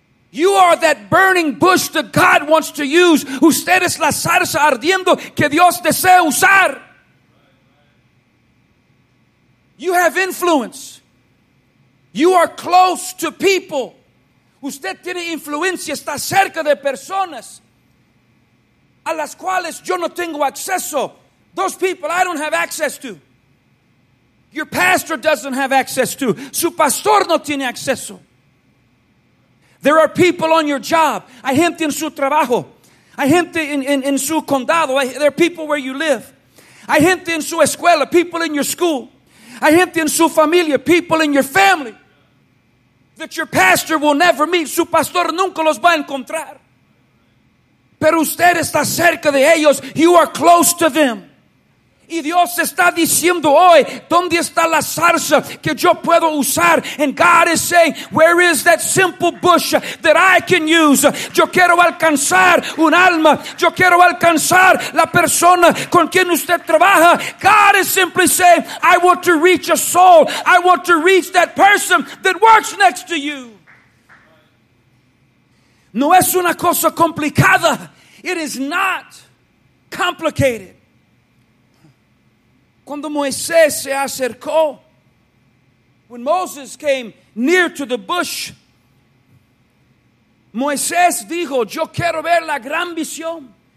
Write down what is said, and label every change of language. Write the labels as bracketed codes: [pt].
[en] You are that burning bush that God wants to use. [es] Usted es la zarza ardiendo que Dios desea usar. [en] You have influence. You are close to people. [es] Usted tiene influencia, está cerca de personas a las cuales yo no tengo acceso. [en] Those people I don't have access to. Your pastor doesn't have access to. [es] Su pastor no tiene acceso. [en] There are people on your job. [es] Hay gente en su trabajo. Hay gente en su condado. [en] There are people where you live. [es] Hay gente en su escuela. [en] People in your school. [es] Hay gente en su familia. [en] People in your family. that your pastor will never meet. [es] Su pastor nunca los va a encontrar. Pero usted está cerca de ellos. [en] You are close to them. [es] Y Dios está diciendo hoy, ¿dónde está la zarza que yo puedo usar? [en] And God is saying, where is that simple bush that I can use? [es] Yo quiero alcanzar un alma. Yo quiero alcanzar la persona con quien usted trabaja. [en] God is simply saying, I want to reach a soul. I want to reach that person that works next to you. [es] No es una cosa complicada. [en] It is not complicated. [es] Cuando Moisés se acercó, [en] when Moses came near to the bush, [es] Moisés dijo, yo quiero ver la gran visión.